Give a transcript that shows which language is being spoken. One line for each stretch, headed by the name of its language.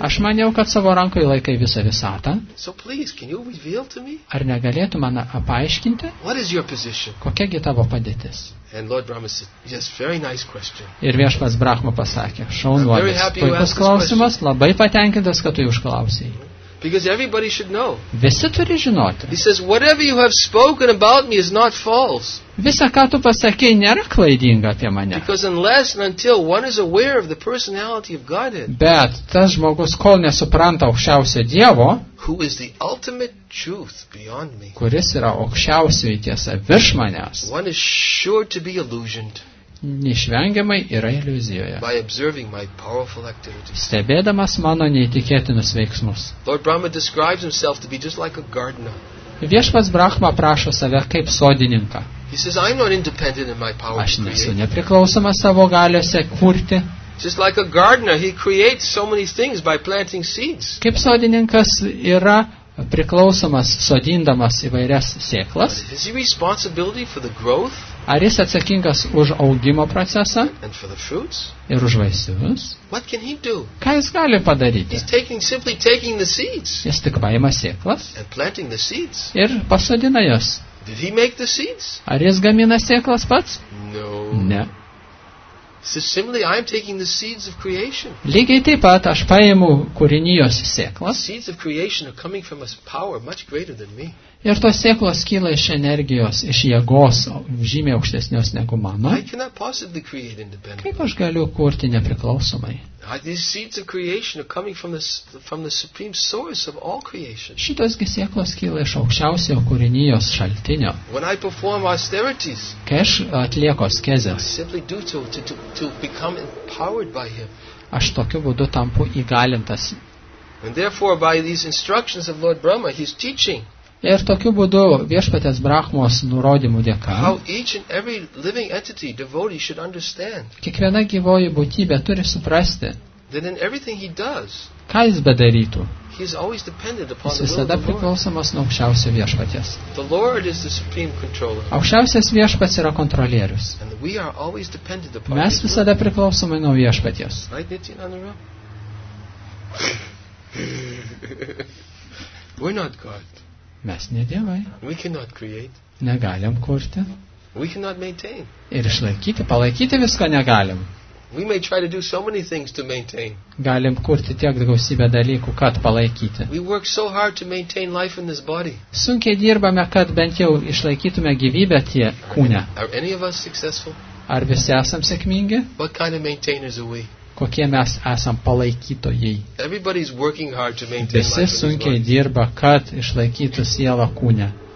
Lithuanian: Aš maniau, kad savo rankoje laikai visą visatą.
English: So please, can you reveal to me?
Lithuanian: Ar negalėtų man apaiškinti?
English: What is your position?
Lithuanian: Kokia gi tavo padėtis?
English: And Lord Brahma said, yes, very nice question.
Lithuanian: Ir viešpats Brahma pasakė, šaunuolis, puikus klausimas, labai patenkintas, kad tu jį užklausėjai.
English: Because everybody should know.
Lithuanian: Visi turi žinoti.
English: He says, whatever you have spoken about me is not false.
Lithuanian: Visa, ką tu pasakėjai, nėra klaidinga apie mane.
English: Because unless and until one is aware of the personality of Godhead.
Lithuanian: Bet tas žmogus, kol nesupranta aukščiausio Dievo,
English: who is the ultimate truth beyond me.
Lithuanian: Kuris yra aukščiausioji tiesa virš manęs.
English: One is sure to be illusioned.
Lithuanian: Neišvengiamai yra iliuzijoje.
English: By observing my powerful activities.
Lithuanian: Stebėdamas mano neįtikėtinus veiksmus.
English: Lord Brahma describes himself to be just like a gardener.
Lithuanian: Viešpats Brahma prašo save kaip sodininką.
English: He says, I'm not independent in my power.
Lithuanian: Aš nesu nepriklausomas savo galiose kurti.
English: Just like a gardener, he creates so many things by planting seeds.
Lithuanian: Kaip sodininkas yra priklausomas sodindamas įvairias sėklas.
English: Is he responsible for the growth?
Lithuanian: Ar jis atsakingas už augimo procesą ir už vaisius? Ką jis gali padaryti? Jis tik paima sėklas ir pasodina jas. Ar jis gamina sėklas pats?
English: No.
Lithuanian: Ne.
English: So similarly, I'm taking the seeds of creation.
Lithuanian: Lygiai taip pat aš paimu kūrinijos sėklas.
English: Seeds of creation are coming from a power much greater than me.
Lithuanian: Ir tos sėklos kyla iš energijos, iš jėgos, žymiai aukštesnios negu mano.
English: I cannot possibly create independently.
Lithuanian: Kaip aš galiu kurti nepriklausomai?
English: These seeds of creation are coming from the supreme source of all creation.
Lithuanian: Šitos gi sėklos kyla iš aukščiausio kūrinijos šaltinio.
English: When I perform austerities,
Lithuanian: kai aš atlieku askezę,
English: I simply do to become empowered by him.
Lithuanian: Aš tokiu būdu tampu įgalintas.
English: And therefore, by these instructions of Lord Brahma, he's teaching.
Lithuanian: Ir tokiu būdu viešpatės Brahmos nurodymų dėka kiekviena gyvoji būtybė turi suprasti, ką jis bedarytų, jis visada priklausomas nuo aukščiausio viešpatės. Aukščiausias viešpats yra kontrolierius. Mes visada priklausomai nuo viešpatės.
English: We're not God.
Lithuanian: Mes ne dievai.
English: We cannot create.
Lithuanian: Negalim kurti.
English: We cannot maintain.
Lithuanian: Ir išlaikyti, palaikyti visko negalim.
English: We may try to do so many things to maintain.
Lithuanian: Galim kurti tiek gausybę dalykų, kad palaikyti.
English: We work so hard to maintain life in this body.
Lithuanian: Sunkiai dirbame, kad bent jau išlaikytume gyvybę tie kūne.
English: Are any of us successful?
Lithuanian: Ar visi esam sėkmingi?
English: What kind of maintainers are we?
Lithuanian: Kokie mes esam palaikytojai.
English: Everybody's working hard to maintain.
Lithuanian: Visi sunkiai dirba, kad išlaikytų sielą kūne.